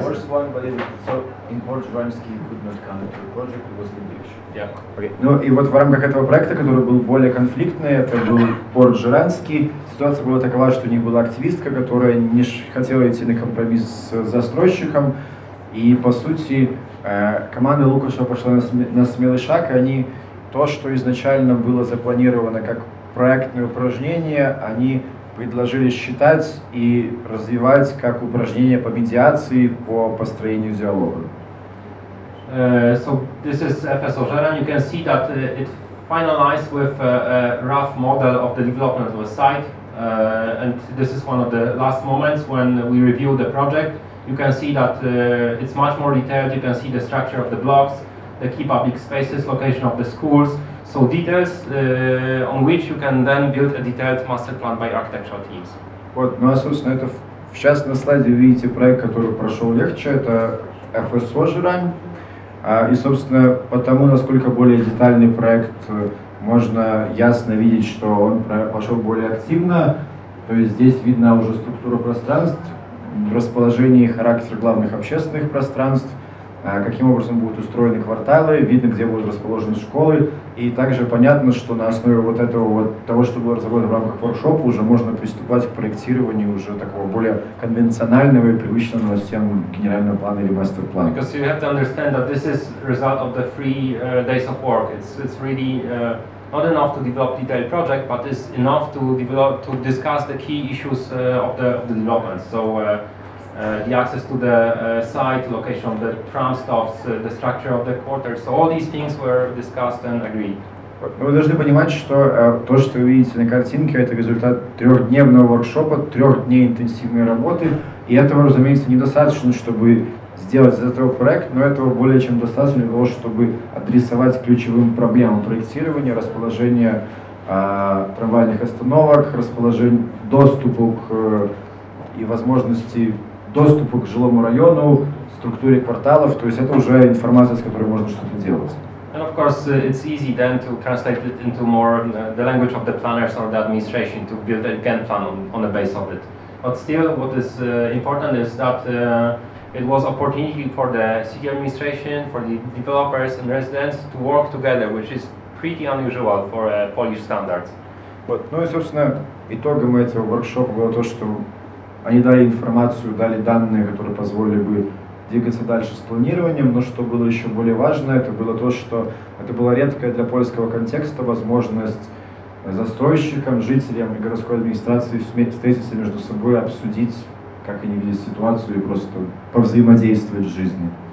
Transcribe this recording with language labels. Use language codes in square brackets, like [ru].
[en] The worst one, but in Port Żerański you could not come to a project, it was the big issue. Yeah. Okay. [ru] Ну и вот в рамках этого проекта, который был более конфликтный, это был Порт Żerański, ситуация была такова, что у них была активистка, которая не хотела идти на компромисс с застройщиком, и по сути команда Лукаша пошла на смелый шаг, и они то, что изначально было запланировано как проектные упражнения, они предложили считать и развивать как упражнения по медиации, по построению диалога. [en] So this is FSO Żerań. You can see that it finalized with a rough model of the development of a site. And this is one of the last moments when we reviewed the project. You can see that it's much more detailed. You can see the structure of the blocks, the key public spaces, location of the schools. So details on which you can then build a detailed master plan by architectural teams. [ru] Вот, ну а собственно это сейчас на слайде вы видите проект, который прошел легче, это FSO Żerań. И собственно потому, насколько более детальный проект, можно ясно видеть, что он пошел более активно. То есть здесь видна уже структура пространств, расположение и характер главных общественных пространств. Каким образом будут устроены кварталы, видно, где будут расположены школы. И также понятно, что на основе вот этого вот того, что было разработано в рамках воркшопа, уже можно приступать к проектированию уже такого более конвенционального и привычного всем генерального плана или мастер-плана. [en] Because you have to understand that this is result of the three days of work. It's really not enough to develop detailed project, but it's enough to develop to discuss the key issues of the development. So the access to the site, location of the tram stops, the structure of the quarters. So all these things were discussed and agreed. [ru] Вы должны понимать, что то, что вы видите на картинке, это результат трехдневного воркшопа, трех дней интенсивной работы. И этого, разумеется, недостаточно, чтобы сделать из этого проект, но этого более чем достаточно для того, чтобы адресовать ключевым проблемам проектирования, расположения трамвайных остановок, расположение доступа к и возможности доступа к жилому району, структуре кварталов, то есть это уже информация, с которой можно что-то делать. [en] And of course, it's easy then to translate it into more the language of the planners or the administration to build a game plan on the base of it. But still, what is important is that it was opportunity for the city administration, for the developers and residents to work together, which is pretty unusual for Polish standards. [ru] Вот. Ну и, собственно, итогом этого воркшопа было то, что они дали информацию, дали данные, которые позволили бы двигаться дальше с планированием, но что было еще более важно, это было то, что это была редкая для польского контекста возможность застройщикам, жителям и городской администрации встретиться между собой, обсудить, как они видят ситуацию и просто повзаимодействовать с жизнью.